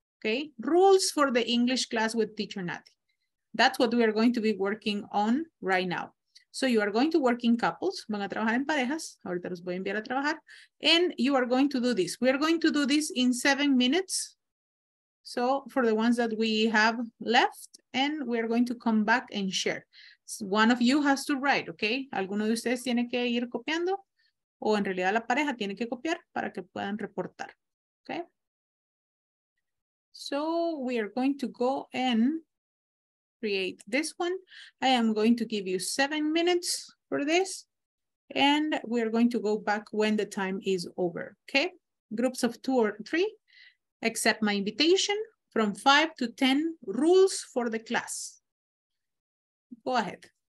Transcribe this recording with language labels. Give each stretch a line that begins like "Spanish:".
English: Okay, rules for the English class with teacher Nati. That's what we are going to be working on right now. So you are going to work in couples,
Spanish: van a trabajar en parejas, ahorita los voy a enviar a trabajar,
English: and you are going to do this. We are going to do this in 7 minutes. So for the ones that we have left, and we are going to come back and share. One of you has to write, okay?
Spanish: Alguno de ustedes tiene que ir copiando, o en realidad la pareja tiene que copiar para que puedan reportar, okay?
English: So we are going to go and create this one. I am going to give you 7 minutes for this. And we are going to go back when the time is over, okay? Groups of 2 or 3, accept my invitation from 5 to 10 rules for the class. Go ahead.